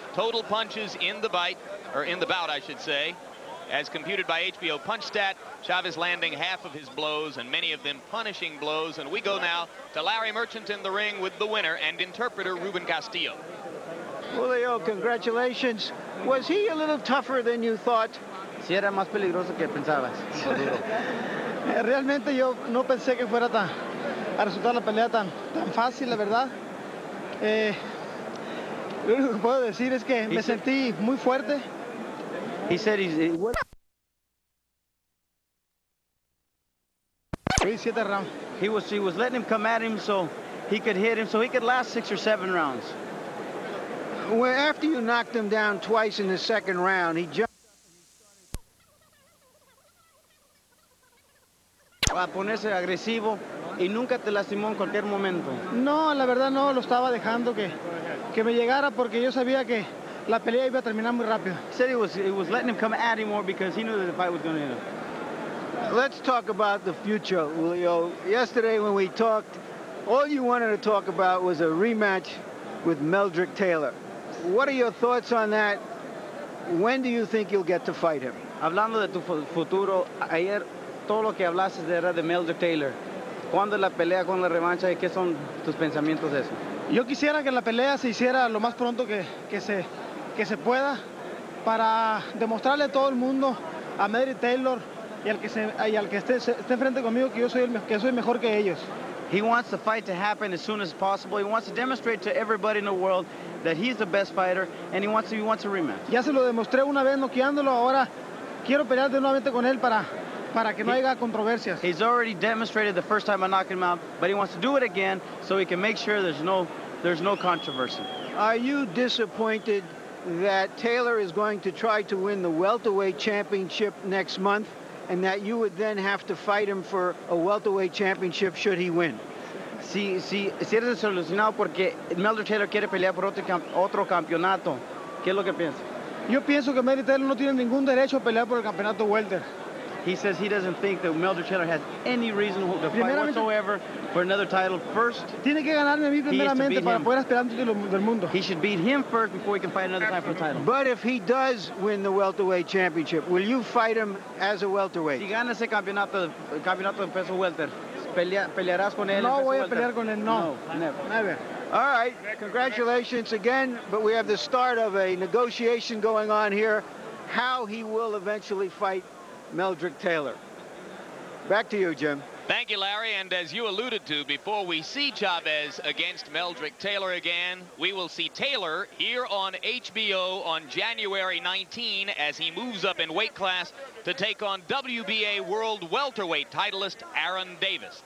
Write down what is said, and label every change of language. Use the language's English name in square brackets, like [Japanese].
[English] Total punches in the bite, or in the bout, I should say, as computed by HBO PunchStat, Chavez landing half of his blows and many of them punishing blows. And we go now to Larry Merchant in the ring with the winner and interpreter Ruben Castillo. Julio, congratulations. Was he a little tougher than you thought? [Spanish] Sí, era más peligroso que pensabas. Realmente yo no pensé que fuera tan a resultar la pelea tan fácil, la verdad. Lo único que puedo decir es que me sentí muy fuerte. [English] He said he's... He was letting him come at him so he could hit him, so he could last six or seven rounds. Well, after you knocked him down twice in the second round, he jumped up and [Spanish] A ponerse agresivo y nunca te lastimó en cualquier momento. No, la verdad no, lo estaba dejando que me llegara porque yo sabía que la pelea iba a terminar muy rápido. [English] He said he was letting him come at him more because he knew that the fight was going to end. Let's talk about the future, Julio. Yesterday when we talked, all you wanted to talk about was a rematch with Meldrick Taylor. What are your thoughts on that? When do you think you'll get to fight him? [Spanish] Hablando de tu futuro, ayer todo lo que hablaste era de Meldrick Taylor. ¿Cuándo la pelea con la revancha y qué son tus pensamientos de eso? Yo quisiera que la pelea se hiciera lo más pronto que se pueda para demostrarle a todo el mundo, a Meldrick Taylor, y al que esté enfrente conmigo que soy mejor que ellos. [English] He wants the fight to happen as soon as possible. He wants to demonstrate to everybody in the world that he's the best fighter, and he wants a rematch. [Spanish] Ya se lo demostré una vez noqueándolo. Ahora quiero pelear de nuevo con él para que no haya controversias. [English] He's already demonstrated the first time I knocked him out, but he wants to do it again so he can make sure there's no controversy. Are you disappointed that Taylor is going to try to win the welterweight championship next month? And that you would then have to fight him for a welterweight championship should he win. [Spanish] Si eres desilusionado porque Meldrick Taylor quiere pelear por otro campeonato, ¿qué es lo que piensas? Yo pienso que Meldrick Taylor no tiene ningún derecho a pelear por el campeonato welter. [English] He says he doesn't think that Meldrick Taylor has any reason to fight whatsoever for another title first. [Spanish] Tiene que ganarme a mí primeramente para poder aspirar al título del mundo. [English] He should beat him first before he can fight another time for the title. But if he does win the welterweight championship, will you fight him as a welterweight? [Spanish] Si gana ese campeonato de peso welter, ¿pelearás con él? No voy a pelear con él, no. [English] No, never. Never. All right, congratulations again, but we have the start of a negotiation going on here, how he will eventually fight Meldrick Taylor. Back to you, Jim. Thank you, Larry. And as you alluded to, before we see Chavez against Meldrick Taylor again, we will see Taylor here on HBO on January 19 as he moves up in weight class to take on WBA World Welterweight titleist Aaron Davis.